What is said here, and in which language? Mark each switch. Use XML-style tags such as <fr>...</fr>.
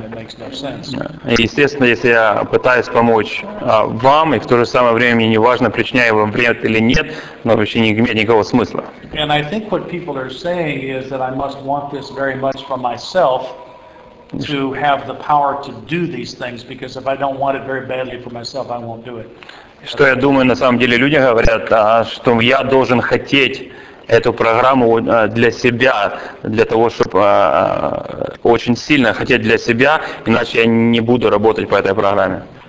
<en>It makes no sense.</en> <ru>Естественно, если я пытаюсь помочь вам, и в то же самое время мне не важно, причиняю вам вред или нет, но вообще не имеет никакого смысла.</ru> <en>And I think what people are saying is that I must want this very much for myself to have the power to do these things, because if I don't want it very badly for myself, I won't do it.</en> <ru>Что я думаю, на самом деле люди говорят, что я должен хотеть эту программу для себя, для того, чтобы очень сильно хотеть для себя, иначе я не буду работать по этой программе.</ru>